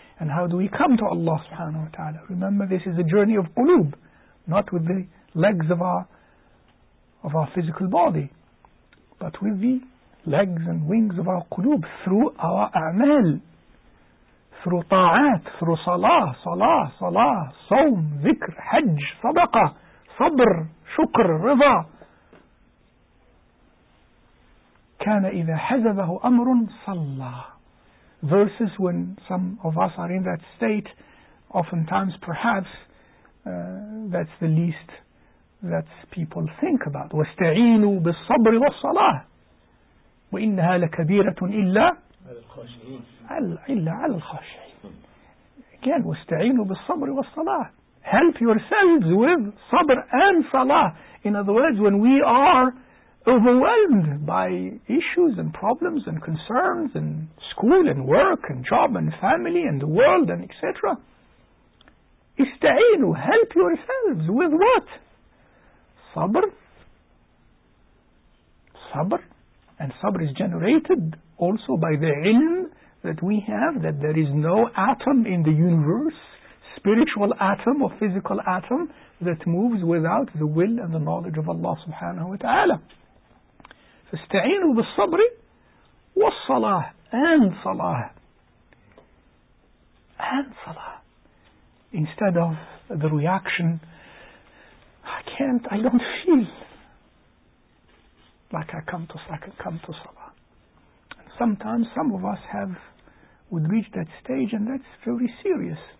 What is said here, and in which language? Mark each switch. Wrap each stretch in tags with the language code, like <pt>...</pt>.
<en>And how do we come to Allah subhanahu wa ta'ala? Remember, this is a journey of qulub, not with the legs of our physical body, but with the legs and wings of our qulub, through our a'mal, through ta'at, through salah, sawm, dhikr, hajj, sadaqah, sabr, shukr, rida.</en> <ar>Kana idha hazabahu amrun sallah.</ar> <en>Versus when some of us are in that state, oftentimes perhaps that's the least that people think about.</en> <ar>وَاسْتَعِينُوا بِالصَّبْرِ وَالصَّلَاةِ وَإِنَّهَا لَكَبِيرَةٌ إِلَّا عَلَى الْخَاشِعِينَ</ar> <en>Again,</en> <ar>وَاسْتَعِينُوا بِالصَّبْرِ وَالصَّلَاةِ</ar> <en>Help yourselves with sabr and salah. In other words, when we are overwhelmed by issues and problems and concerns and school and work and job and family and the world and etc.</en> <ar>اِسْتَعِينُوا</ar> <en>Help yourselves with what? Sabr, and sabr is generated also by the ilm that we have, that there is no atom in the universe, spiritual atom or physical atom, that moves without the will and the knowledge of Allah subhanahu wa ta'ala.</en> <ar>فَاسْتَعِينُوا بِالصَّبْرِ وَالصَّلَاةِ</ar> <en>And salah. Instead of the reaction, I don't feel like I can come to Salah. Sometimes some of us would reach that stage, and that's very serious.</en>